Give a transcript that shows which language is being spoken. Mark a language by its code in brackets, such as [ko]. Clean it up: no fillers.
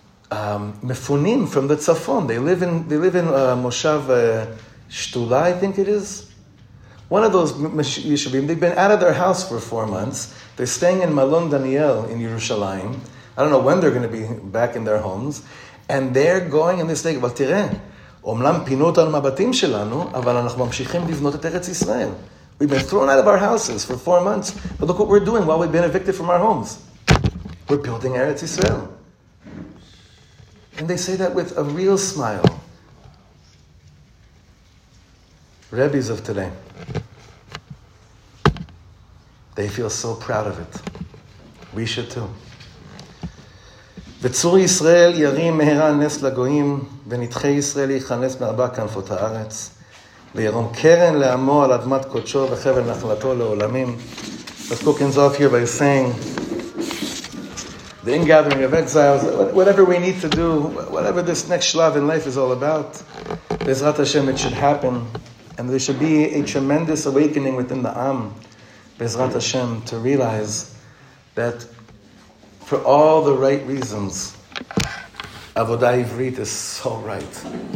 [en] Mefunim from the Tzafon. They live in Moshav Shtula, I think it is. One of those Yishuvim, they've been out of their house for 4 months. They're staying in Malon Daniel in Yerushalayim. I don't know when they're going to be back in their homes. And they're going and they say, [he] אבל תראה, אומנם פינו אותנו מהבתים שלנו, אבל אנחנו ממשיכים לבנות את ארץ ישראל. [en] We've been thrown out of our houses for 4 months, but look what we're doing while we've been evicted from our homes. We're building Eretz Yisrael. And they say that with a real smile. Rebbe's of today. They feel so proud of it. We should too. [he] V'tzur Yisrael yarim mehera nes lagoyim, v'nitche Yisrael yichanes me'arba kanfot ha'aretz. וירום קרן לעמו על אדמת קודשו וחבל נחלתו לעולמים. [en] Let's go ends off here by saying the ingathering of exiles, whatever we need to do, whatever this next shlav in life is all about, בעזרת השם it should happen, and there should be a tremendous awakening within the Am, בעזרת השם, to realize that for all the right reasons, Avoda Ivrit is so right.